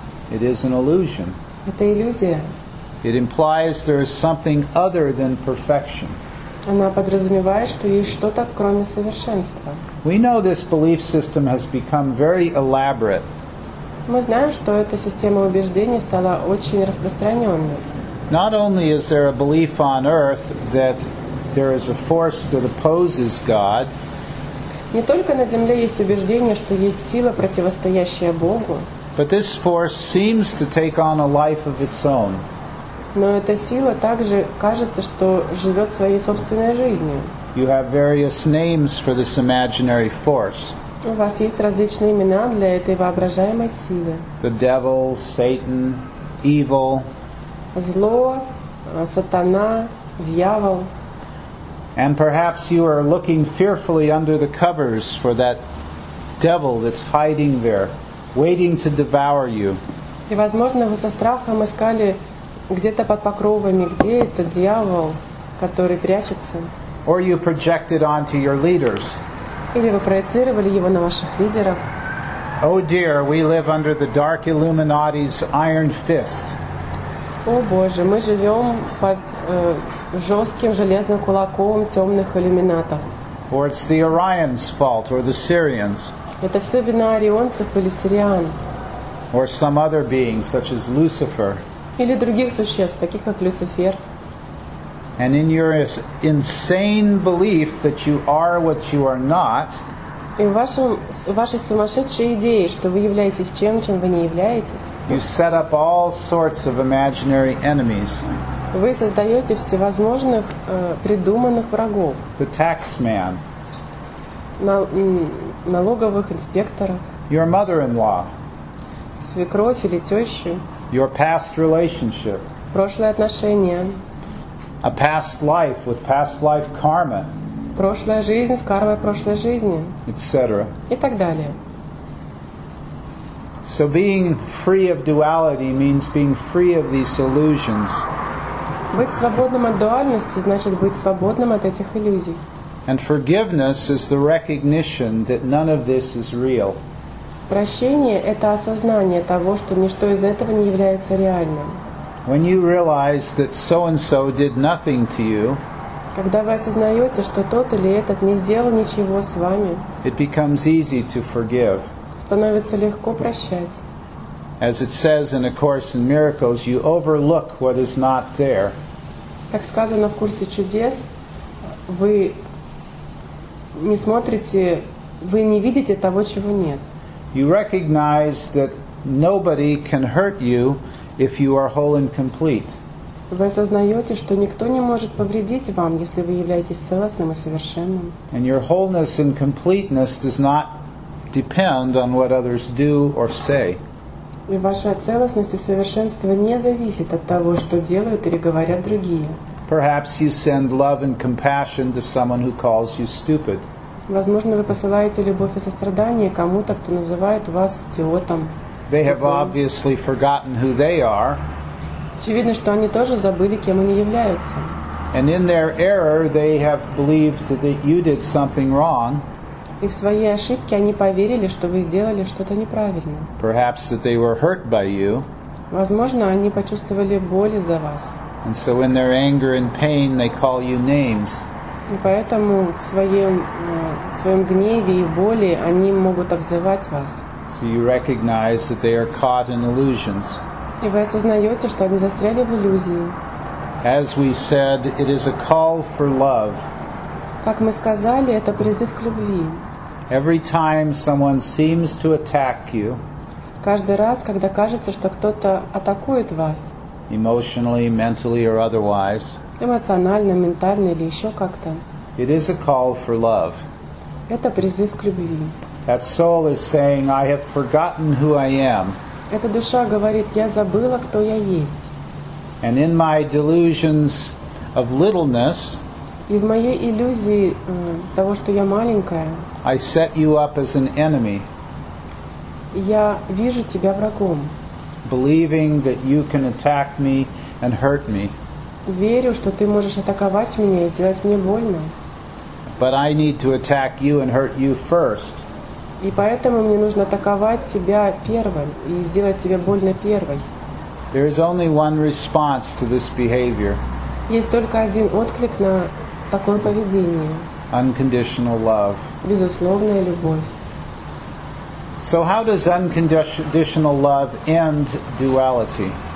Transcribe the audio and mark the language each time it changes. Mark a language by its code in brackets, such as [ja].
[en] It is an illusion. [ru] Это иллюзия. [en] It implies there is something other than perfection. [ru] Она подразумевает, что есть что-то, кроме совершенства. [en] We know this belief system has become very elaborate. [ru] Мы знаем, что эта система убеждений стала очень распространенной. [en] Not only is there a belief on earth that there is a force that opposes God. [ru] Не только на земле есть убеждение, что есть сила, противостоящая Богу. [en] But this force seems to take on a life of its own. [ru] Но эта сила также кажется, что живет своей собственной жизнью. [en] You have various names for this imaginary force. [ru] У вас есть различные имена для этой воображаемой силы. [en] The devil, Satan, evil. [ru] Зло, сатана, дьявол. [en] And perhaps you are looking fearfully under the covers for that devil that's hiding there, waiting to devour you. [ru] И, возможно, вы со страхом искали где-то под покровами, где этот дьявол, который прячется. [en] Or you projected onto your leaders. [ru] Или вы проецировали его на ваших лидеров. [en] Oh dear, we live under the dark Illuminati's iron fist. [ru] О, Боже, мы живем под жестким железным кулаком темных иллюминатов. [en] Or it's the Orion's fault, or the Syrians. [ru] Это все вина орионцев или сириан. [en] Or some other being, such as Lucifer. [ru] Или других существ, таких как Люцифер. [en] And in your insane belief that you are what you are not. [ru] И в вашей сумасшедшей идее, что вы являетесь тем, чем вы не являетесь. [en] You set up all sorts of imaginary enemies. [ru] Вы создаете всевозможных придуманных врагов. [en] The tax man. [ru] Налоговых инспекторов. [en] Your mother-in-law. [ru] Свекровь или тещу. [en] Your past relationship. [ru] Прошлые отношения. [en] A past life with past life karma. [ru] Прошлая жизнь с кармой прошлой жизни. [en] Etc. [ru] И так далее. [en] So being free of duality means being free of these illusions. [ru] Быть свободным от дуальности значит быть свободным от этих иллюзий. [en] And forgiveness is the recognition that none of this is real. [ru] Прощение – это осознание того, что ничто из этого не является реальным. [en] When you realize that so-and-so did nothing to you, [ru] когда вы осознаете, что тот или этот не сделал ничего с вами, [en] it becomes easy to forgive. [ru] Становится легко прощать. [en] As it says in A Course in Miracles, you overlook what is not there. [ru] Как сказано в Курсе чудес, вы не смотрите, вы не видите того, чего нет. [en] You recognize that nobody can hurt you if you are whole and complete. [ru] Вы осознаете, что никто не может повредить вам, если вы являетесь целостным и совершенным. [en] And your wholeness and completeness does not depend on what others do or say. [ru] И ваша целостность и совершенство не зависит от того, что делают или говорят другие. [en] Perhaps you send love and compassion to someone who calls you stupid. [ru] Возможно, вы посылаете любовь и сострадание кому-то, кто называет вас идиотом. [en] They have obviously forgotten who they are. [ru] Очевидно, что они тоже забыли, кем они являются. [en] And in their error, they have believed that you did something wrong. [ru] И в своей ошибке они поверили, что вы сделали что-то неправильно. [en] Perhaps that they were hurt by you. [ru] Возможно, они почувствовали боль за вас. [en] And so in their anger and pain, they call you names. [ru] И поэтому в своем гневе и боли они могут обзывать вас. [en] So you recognize that they are caught in illusions. [ru] И вы осознаете, что они застряли в иллюзии. [en] As we said, it is a call for love. [ru] Как мы сказали, это призыв к любви. [en] Every time someone seems to attack you. [ru] Каждый раз, когда кажется, что кто-то атакует вас. [en] Emotionally, mentally, or otherwise. [ru] Эмоционально, ментально или еще как-то. [en] It is a call for love. [ru] Это призыв к любви. [en] That soul is saying, I have forgotten who I am. [ru] Эта душа говорит: я забыла, кто я есть. [en] And in my delusions of littleness, [ru] и в моей иллюзии того, что я маленькая, [en] I set you up as an enemy. [ru] Я вижу тебя врагом. [en] Believing that you can attack me and hurt me. [ru] Верю, что ты можешь атаковать меня и делать мне больно. [en] But I need to attack you and hurt you first. [ru] И поэтому мне нужно атаковать тебя первым и сделать тебе больно первой. [en] There is only one response to this behavior. [ru] Есть только один отклик на такое поведение. [en] Unconditional love. [ru] Безусловная любовь. [en] So how does unconditional love end duality?